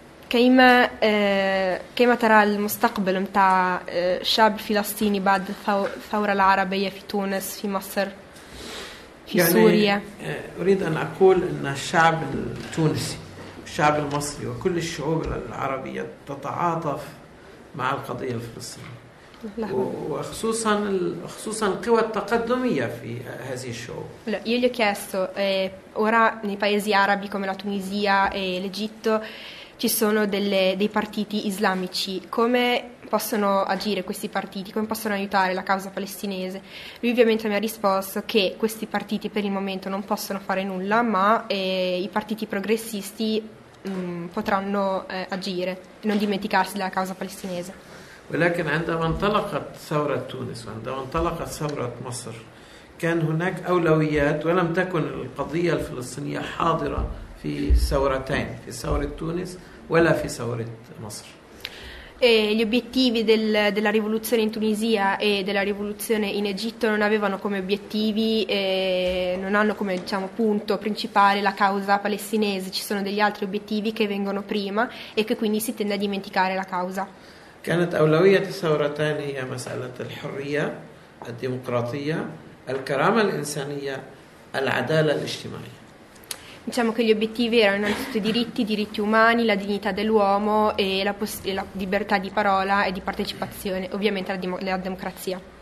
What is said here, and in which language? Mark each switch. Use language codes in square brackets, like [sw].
[ar] كيما ترى المستقبل متاع الشعب الفلسطيني بعد الثورة العربية في تونس في مصر في يعني سوريا؟ أريد أن أقول أن الشعب التونسي والشعب المصري وكل الشعوب العربية تتعاطف مع القضية الفلسطينية وخصوصاً القوى التقدمية في هذه الشعوب. [it] Io gli ho chiesto ora nei paesi arabi come la Tunisia e l'Egitto ci sono dei partiti islamici, come possono agire questi partiti, come possono aiutare la causa palestinese? Lui ovviamente mi ha risposto che questi partiti per il momento non possono fare nulla, ma i partiti progressisti potranno agire, non dimenticarsi della causa palestinese. [ar] ولكن عندما انطلقت ثورة تونس وعندما انطلقت ثورة مصر كان هناك أولويات ولم تكن القضية الفلسطينية حاضرة في ثورتين في ثورة تونس ولا في ثورة مصر. [it] Gli obiettivi della rivoluzione in Tunisia e della rivoluzione in Egitto non avevano come obiettivi, non hanno come diciamo punto principale la causa palestinese, ci sono degli altri obiettivi che vengono prima e che quindi si tende a dimenticare la causa. [ar] كانت أولوية الثورتين هي مسألة الحرية الديمقراطية الكرامة الإنسانية العدالة الاجتماعية. [it] Diciamo che gli obiettivi erano innanzitutto i diritti umani, la dignità dell'uomo e la libertà di parola e di partecipazione, ovviamente la democrazia.